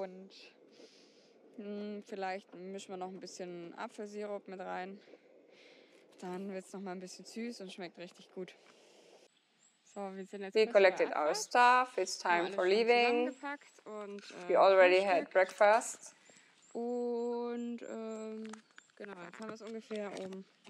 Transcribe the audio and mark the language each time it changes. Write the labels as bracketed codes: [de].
[de] Und vielleicht mischen wir noch ein bisschen Apfelsirup mit rein. Dann wird's noch mal ein bisschen süß und schmeckt richtig gut. [en] We collected our stuff, it's time for leaving. We already had breakfast. [de] Und genau, jetzt haben wir es ungefähr um